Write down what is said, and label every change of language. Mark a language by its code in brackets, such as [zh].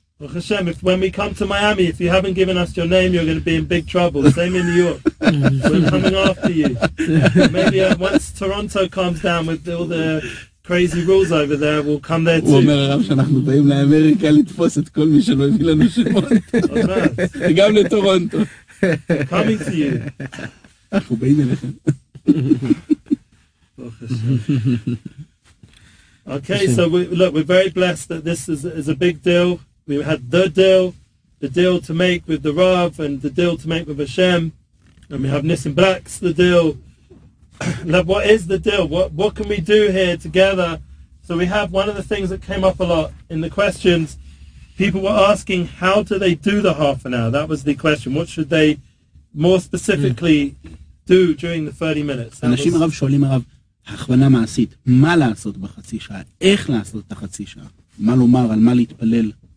[en] Well, Hashem, if when we come to Miami, if you haven't given us your name, you're going to be in big trouble. Same in New York. We're coming after you. Maybe once Toronto calms down with all the crazy rules over there, we'll come there too. [he] הוא אומר הרב שאנחנו באים לאמריקה לתפוס את כל מי שלא הביא לנו שמות. גם לטורונטו. [en] Coming to you. [he] אנחנו באים אליכם. ברוך השם. [en] Okay, so we're very blessed that this is a big deal. We had the deal to make with the Rav and the deal to make with Hashem. And we have Nissim Black's the deal. Like, what is the deal? What can we do here together? So we have one of the things that came up a lot in the questions. People were asking, how do they do the half an hour? That was the question. What should they more specifically do during the 30 minutes? [he] הכוונה מעשית, מה לעשות בחצי שעה, איך לעשות את החצי שעה, מה לומר, על מה להתפלל.